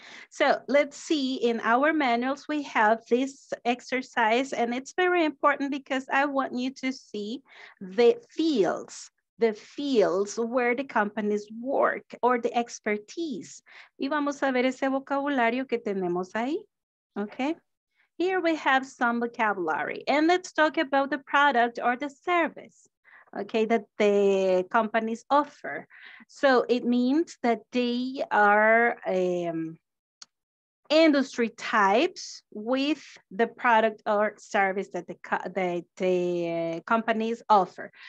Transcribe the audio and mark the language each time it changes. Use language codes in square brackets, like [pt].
[en] So let's see, in our manuals, we have this exercise and it's very important because I want you to see the fields where the companies work or the expertise. [es] Y vamos a ver ese vocabulario que tenemos ahí, okay? [en] Here we have some vocabulary and let's talk about the product or the service, okay, that the companies offer. So it means that they are, industry types with the product or service that the companies offer.